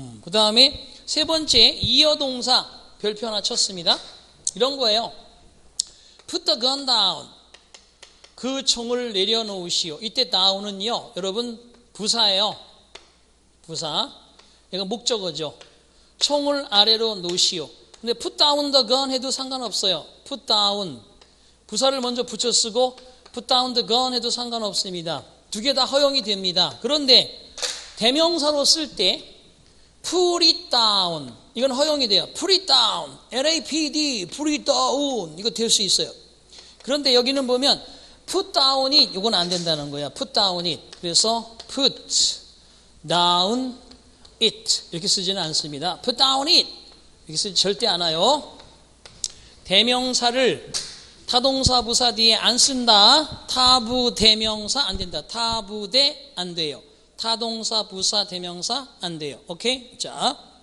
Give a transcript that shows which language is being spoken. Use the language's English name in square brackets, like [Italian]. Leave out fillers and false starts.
[Korean] 그 다음에 세 번째 이어 동사 별표 하나 쳤습니다. 이런 거예요. [English] Put the gun down. [Korean] 그 총을 내려놓으시오. 이때 down은요 여러분 부사예요. 부사. 얘가 목적어죠. 총을 아래로 놓으시오. 근데 [English] put down the gun [Korean] 해도 상관없어요. [English] put down. [Korean] 부사를 먼저 붙여 쓰고 put down the gun 해도 상관없습니다. 두 개 다 허용이 됩니다. 그런데 대명사로 쓸 때 [English] put it down. [Korean] 이건 허용이 돼요. [English] put it down. [Korean] LAPD. put it down. 이거 될 수 있어요. 그런데 여기는 보면 [English] put down it. [Korean] 이건 안 된다는 거야. [English] put down it. [Korean] 그래서 [English] put down it. [Korean] 이렇게 쓰지는 않습니다. [English] put down it. [Korean] 이렇게 쓰지 절대 않아요. 대명사를 타동사 부사 뒤에 안 쓴다. 타부 대명사 안 된다. 타부대 안 돼요. 타동사 부사 대명사 안 돼요. 오케이? 자.